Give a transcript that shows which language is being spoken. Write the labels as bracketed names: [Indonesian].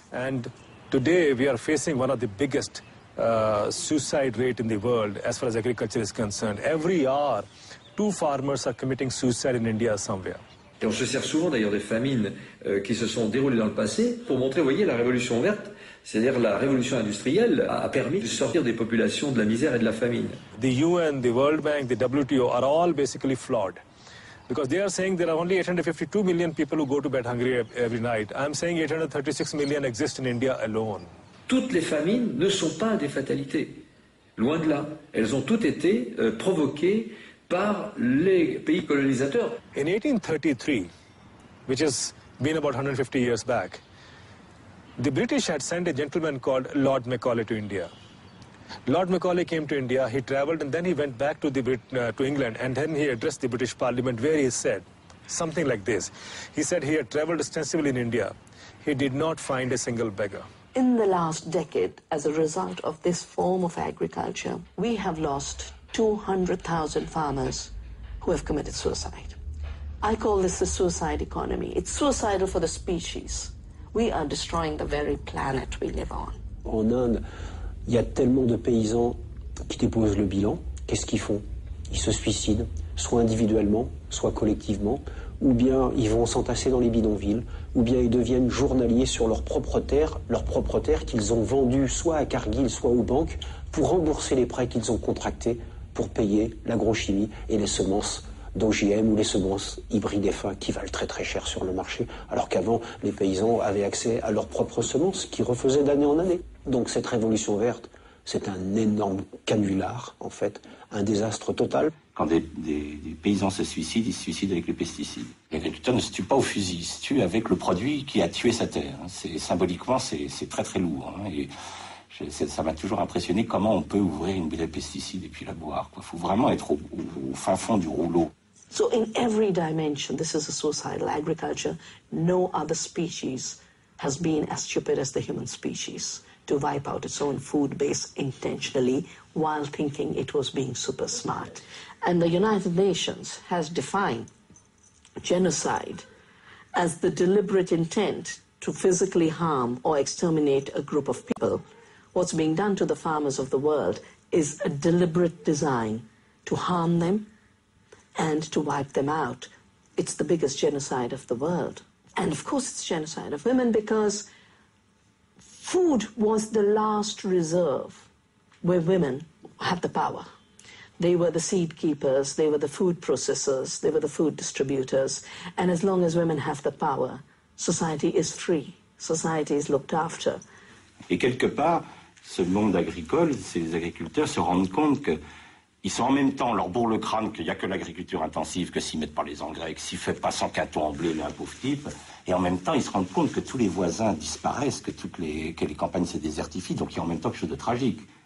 [English] And today we are facing one of the biggest suicide rate in the world as far as agriculture is concerned. Every hour, two farmers are committing suicide in India somewhere. [French] Et on se sert souvent d'ailleurs des famines qui se sont déroulées dans le passé pour montrer, voyez, la révolution verte, c'est-à-dire la révolution industrielle, a permis de sortir des populations de la misère et de la famine. [English] The UN, the World Bank, the WTO are all basically flawed. Because they are saying there are only 852 million people who go to bed hungry every night. I'm saying 836 million exist in India alone. [French] Toutes les famines ne sont pas des fatalités. Loin de là. Elles ont toutes été provoquées par les pays colonisateurs. [English] In 1833, which has been about 150 years back, the British had sent a gentleman called Lord Macaulay to India. Lord Macaulay came to India, he travelled and then he went back to the to England and then he addressed the British Parliament where he said something like this. He said he had travelled extensively in India. He did not find a single beggar. In the last decade, as a result of this form of agriculture, we have lost 200,000 farmers who have committed suicide. I call this the suicide economy. It's suicidal for the species. We are destroying the very planet we live on. [French] En Inde, il y a tellement de paysans qui déposent le bilan. Qu'est-ce qu'ils font? Ils se suicident, soit individuellement, soit collectivement, ou bien ils vont s'entasser dans les bidonvilles, ou bien ils deviennent journaliers sur leur propre terre qu'ils ont vendue soit à Cargill, soit aux banques, pour rembourser les prêts qu'ils ont contractés pour payer l'agrochimie et les semences d'OGM ou les semences hybrides F1 qui valent très très cher sur le marché, alors qu'avant, les paysans avaient accès à leurs propres semences qui refaisaient d'année en année. Donc cette révolution verte, c'est un énorme canular, en fait, un désastre total. Quand des paysans se suicident, ils se suicident avec les pesticides. L'agriculteur ne se tue pas au fusil, il se tue avec le produit qui a tué sa terre. C'est, symboliquement, c'est très très lourd. Hein. Et ça m'a toujours impressionné comment on peut ouvrir une bouteille de pesticides et puis la boire. Il faut vraiment être au fin fond du rouleau. [English] So in every dimension, this is a suicidal agriculture. No other species has been as stupid as the human species. To wipe out its own food base intentionally while thinking it was being super smart. And the United Nations has defined genocide as the deliberate intent to physically harm or exterminate a group of people. What's being done to the farmers of the world is a deliberate design to harm them and to wipe them out. It's the biggest genocide of the world. And of course it's genocide of women because food was the last reserve where women had the power. They were the seed keepers, they were the food processors, they were the food distributors. And as long as women have the power, society is free, society is looked after. [French] Et quelque part, ce monde agricole, ces agriculteurs se rendent compte qu'ils sont en même temps leur bourre le crâne qu'il n'y a que l'agriculture intensive, que s'ils ne mettent pas les engrais, que s'ils ne font pas 100 cartons en blé, mais un pauvre type. Et en même temps, ils se rendent compte que tous les voisins disparaissent, que les campagnes se désertifient, donc il y a en même temps quelque chose de tragique.